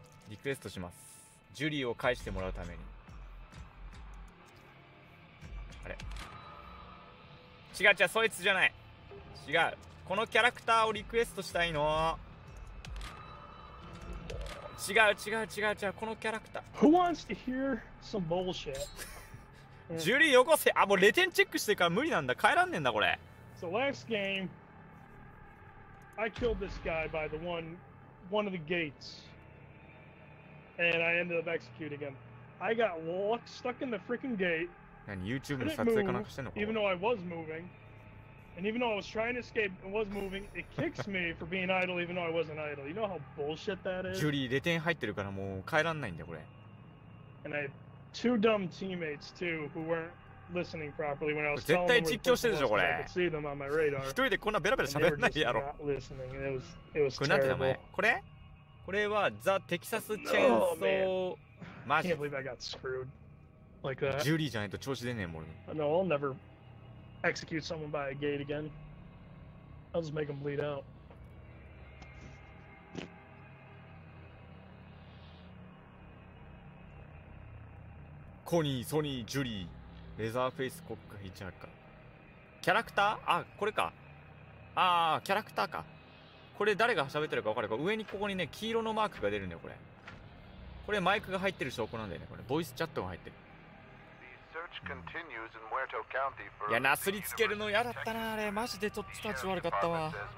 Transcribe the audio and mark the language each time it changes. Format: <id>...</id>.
<ja>リクエストします、ジュリーを返してもらうために。あれ違う違う、そいつじゃない、違う、このキャラクターをリクエストしたいの。違う違う違う違う、このキャラクター。</ja> <en>Who wants to hear some bullshit?</en> <ja>ジュリーよこせ。あ、もうレテンチェックしてるから無理なんだ、帰らんねんだこれ。</ja> <en>So last game I killed this guy by the one of the gates and I ended up executing him. I got locked, stuck in the freaking gate. And</en> <ja>YouTube の撮影かなんかしてんのか。</ja> <en>Even though I was moving, and even though I was trying to escape and was moving, it kicks me for being idle, even though I wasn't idle. You know how bullshit that is?</en> <ja>ジュリー、レテン入ってるからもう帰らんないんだよ、これ。</ja> <en>And I had two dumb teammates, too, who weren't listening properly when I was telling them where was.</en> <ja>絶対実況してるでしょ、これ。</ja> <en>I could see them on my radar.</en> <ja>一人でこんなベラベラ喋んないやろ。</ja> <en>And they were just not listening. It was terrible.</en> <ja>これなんて名前？これ？これはザ・テキサス・チェンソー。</ja> <en>Oh, man. I can't believe I got screwed. Like、</en> <ja>ジュリーじゃないと調子出ねえもん。</ja> <en>No, I'll never execute someone by a gate again. I'll just make them bleed out.</en> <ja>コニー、ソニー、ジュリー、レザーフェイス、コック、ヒッチハッカー。キャラクター？あ、これか。あー、キャラクターか。これ誰が喋ってるか分かるか。上にここにね、黄色のマークが出るんだよ、これ。これマイクが入ってる証拠なんだよね、これ。ボイスチャットが入ってる。</ja> <en>Continues in Muerto County for</en> <ja>いや、なすりつけるの嫌だったな、あれ。マジでちょっとたち悪かったわ。</ja>